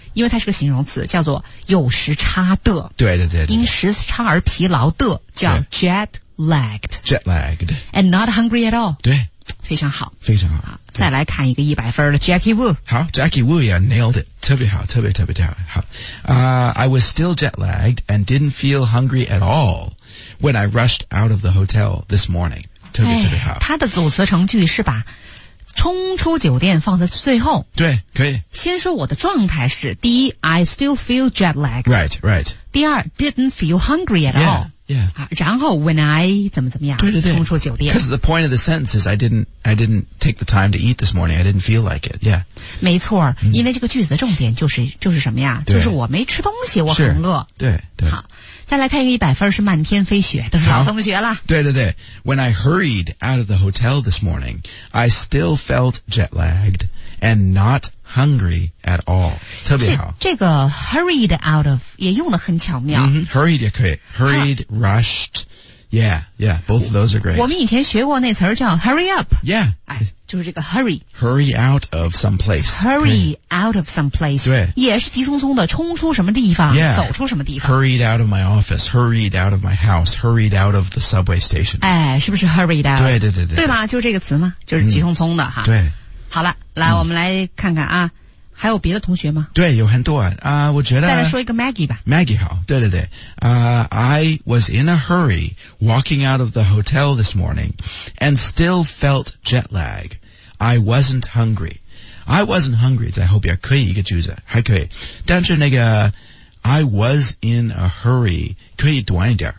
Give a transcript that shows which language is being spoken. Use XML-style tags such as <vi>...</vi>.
<zh>因为它是个形容词叫做有时差的。对对 对, 对。因时差而疲劳的叫</zh> <en>jet lagged. Jet lagged. And not hungry at all.</en> <zh>对。非常好。非常好。好再来看一个100分的 Jackie Wu。</zh> <en>好 ,Jackie Wu, yeah, nailed it.</en> <zh>特别好特别特别特别好。</zh> <en>I was still jet lagged and didn't feel hungry at all when I rushed out of the hotel this morning.</en> <zh>特别特别好、哎、他的组词成句是把冲出酒店放在最后对可以先说我的状态是第一</zh> <en>I still feel jet lagged Right, right</en> <zh>第二</zh> <en>didn't feel hungry at yeah, all Yeah, yeah、</en> <zh>啊、然后 when I 怎么怎么样对对对冲出酒店</zh> <en>Because the point of the sentence is I didn't take the time to eat this morning I didn't feel like it Yeah</en> <zh>没错、嗯、因为这个句子的重点就是什么呀就是我没吃东西我很饿对对好再来看一个100分是漫天飞雪都是老同学了对对对</zh> <en>When I hurried out of the hotel this morning I still felt jet lagged And not hungry at all</en> <zh>特别好这个 hurried out of 也用得很巧妙、</zh> <en>mm-hmm, Hurried 也可以 Hurried,、啊、rushed Yeah, yeah, both of those are great</en> <zh>我们以前学过那词叫</zh> <en>hurry up Yeah、</en> <zh>哎、就是这个 hurry</zh> <en>Hurry out of some place Hurry out of some place</en> <zh>对也是急匆匆的冲出什么地方、</zh> <en>yeah.</en> <zh>走出什么地方</zh> <en>Hurried out of my office Hurried out of my house Hurried out of the subway station</en> <zh>哎，是不是 hurried out 对对对对对吧就这个词吗就是急匆匆的、嗯、哈。对好了来、嗯、我们来看看啊还有别的同学吗对有很多啊、我觉得。再来说一个 Maggie 吧。 Maggie 好对对对。</zh> <en>I was in a hurry walking out of the hotel this morning and still felt jet lag. I wasn't hungry. I wasn't hungry,</en> <zh>在后边可以一个句子还可以。但是那个</zh> <en>I was in a hurry,</en> <zh>可以短一点。</zh>